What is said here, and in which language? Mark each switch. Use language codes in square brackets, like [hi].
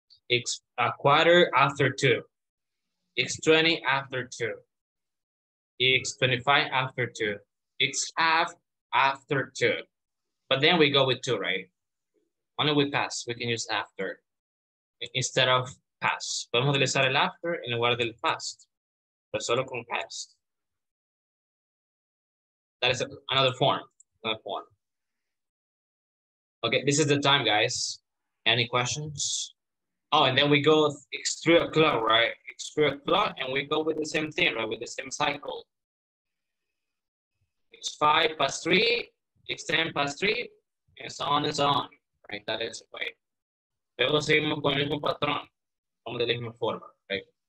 [en] It's a quarter after two. It's 20 after 2. It's 25 after 2. It's half after two. But then we go with two, right? Only with past, we can use after instead of past. [es] Podemos utilizar el after en lugar del past, pero solo con past. [en] That is another form. Another form. Okay, this is the time, guys. Any questions? Oh, and then we go, it's 3 o'clock, right? It's 3 o'clock, and we go with the same thing, right? With the same cycle. It's 5 past 3, it's 10 past 3, and so on, right? That is the way. [es] Luego seguimos con el mismo patrón, como de la misma forma, [en] right?